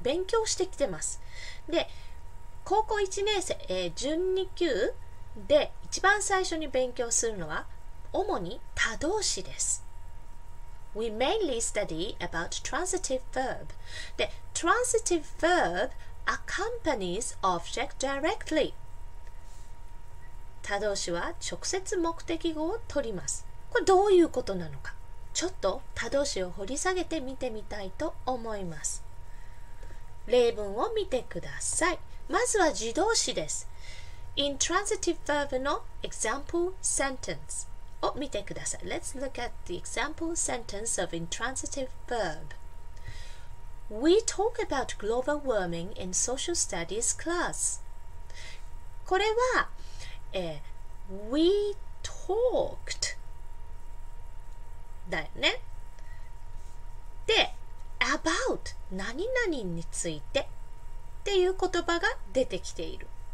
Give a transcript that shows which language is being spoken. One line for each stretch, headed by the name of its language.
Japanese: 勉強してきてます。で、高校1年生、準2級で一番最初に勉強するのは主に他動詞です。
English: We mainly study about transitive verb. The transitive verb accompanies object directly.
Japanese: 他動詞は直接目的語を取ります。これどういうことなのか、ちょっと他動詞を掘り下げて見てみたいと思います。例文を見てください。まずは自動詞です。 Intransitive verb の example sentence. を見てください。
English: Let's look at the example sentence of intransitive verb. We talk about global warming in social studies class.
Japanese: これは、We talked だよね。で、about 何々についてっていう言葉が出てきている。